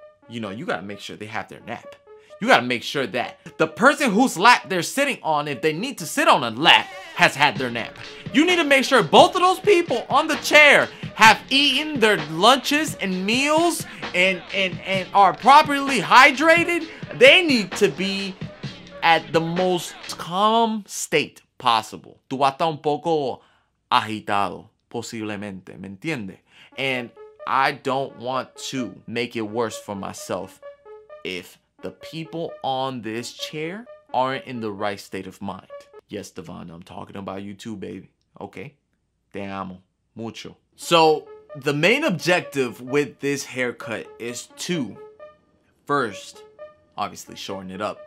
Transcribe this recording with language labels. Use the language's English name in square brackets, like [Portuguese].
[English] You know, you got to make sure they have their nap. You got to make sure that the person whose lap they're sitting on, if they need to sit on a lap, has had their nap. You need to make sure both of those people on the chair have eaten their lunches and meals and are properly hydrated. They need to be at the most calm state possible. [Spanish] Tu vas a estar un poco agitado, posiblemente, ¿me entiende? [English] And I don't want to make it worse for myself if the people on this chair aren't in the right state of mind. Yes, Devon, I'm talking about you too, baby. Okay. [Spanish] Te amo. Mucho. [English] So, the main objective with this haircut is to, first, obviously shorten it up.